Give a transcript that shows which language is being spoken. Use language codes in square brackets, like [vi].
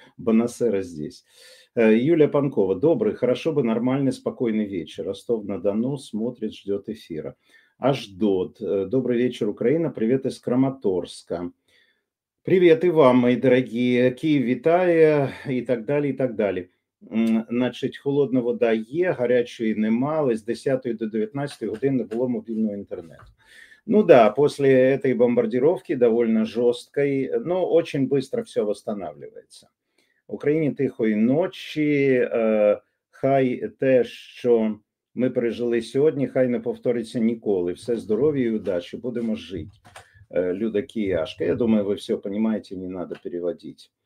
[ru] Бонасера здесь. Юлия Панкова. Добрый, хорошо бы нормальный, спокойный вечер. Ростов-на-Дону смотрит, ждет эфира. Ашдод. Добрый вечер, Украина. Привет из Краматорска. Привет и вам, мои дорогие. Киев, витая и так далее, и так далее. [uk] Значить, холодного дає, гарячої немало, з 10 до 19 години не було мобільного інтернету. [ru] Ну да, после этой бомбардировки, довольно жесткой, но очень быстро все восстанавливается. [uk] Україні тихої ночі, хай те, що ми пережили сьогодні, хай не повториться ніколи. Все здоров'я і удачі, будемо жити. Люда Кіяшка, я думаю, ви все розумієте, не треба переводити.